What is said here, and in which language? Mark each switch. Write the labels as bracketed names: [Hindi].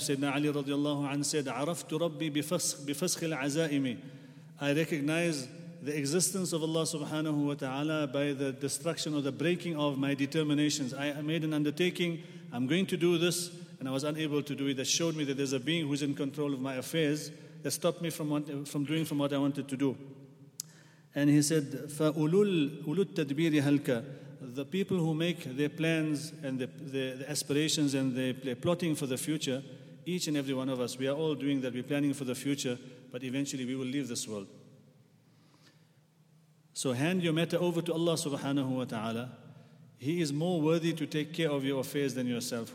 [English] Sayyidina Ali radiallahu anhu said, [Arabic] عَرَفْتُ رَبِّي بِفَسْخِ الْعَزَائِمِ, [English] I recognize the existence of Allah subhanahu wa ta'ala by the destruction or the breaking of my determinations. I made an undertaking, I'm going to do this, and I was unable to do it. That showed me that there's a being who's in control of my affairs that stopped me from doing what I wanted to do. And he said, [Arabic] فَأُولُوا التَّدْبِيرِ هَلْكَ. [English] The people who make their plans and the aspirations and they're plotting for the future, each and every one of us, we are all doing that. We're planning for the future, but eventually we will leave this world. So hand your matter over to Allah subhanahu wa ta'ala. He is more worthy to take care of your affairs than yourself.